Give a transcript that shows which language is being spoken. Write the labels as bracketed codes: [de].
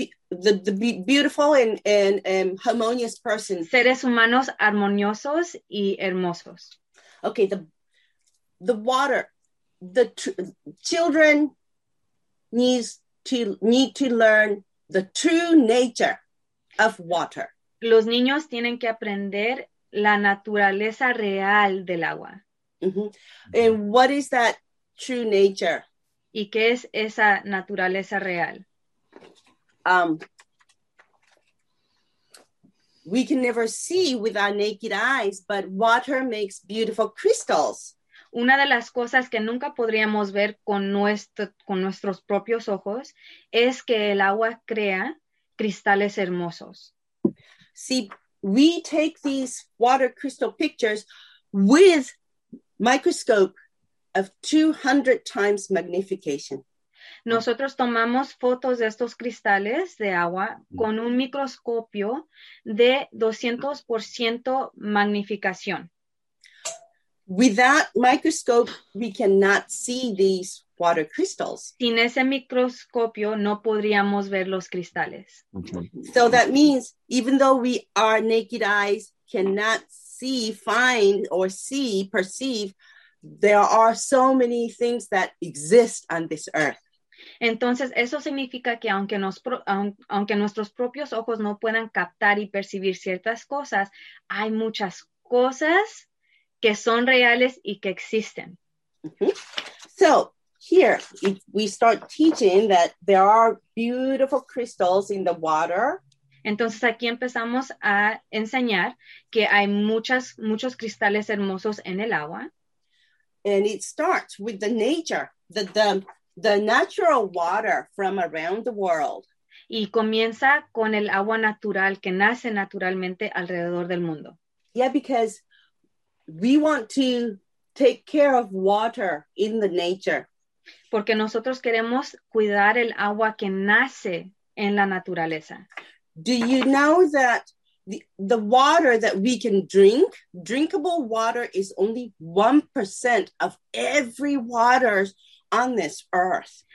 [en] The beautiful and harmonious person. [es] Seres humanos armoniosos y hermosos. [en] Okay, the water. The children need to learn the true nature of water. [es] Los niños tienen que aprender la naturaleza real del agua. Mm-hmm. [en] And what is that true nature? [es] ¿Y qué es esa naturaleza real? [en] We can never see with our naked eyes, but water makes beautiful crystals. [es] Una de las cosas que nunca podríamos ver con nuestros propios ojos es que el agua crea cristales hermosos. [en] See, we take these water crystal pictures with microscope of 200 times magnification. [es] Nosotros tomamos fotos de estos cristales de agua con un microscopio de 200% magnificación. [en] With that microscope, we cannot see these water crystals. [es] Sin ese microscopio, no podríamos ver los cristales. [en] So that means, even though we, our naked eyes cannot see, find, or see, perceive, there are so many things that exist on this earth. [es] Entonces, eso significa que aunque nuestros propios ojos no puedan captar y percibir ciertas cosas, hay muchas cosas que son reales y que existen. Mm-hmm. [en] So, here, if we start teaching that there are beautiful crystals in the water. [es] Entonces, aquí empezamos a enseñar que hay muchos cristales hermosos en el agua. [en] And it starts with the nature, the natural water from around the world. [es] Y comienza con el agua natural que nace naturalmente alrededor del mundo. [en] Yeah, because we want to take care of water in the nature. [es] Porque nosotros queremos cuidar el agua que nace en la naturaleza. [en] Do you know that the water that we can drink, drinkable water, is only 1% of every water on this earth?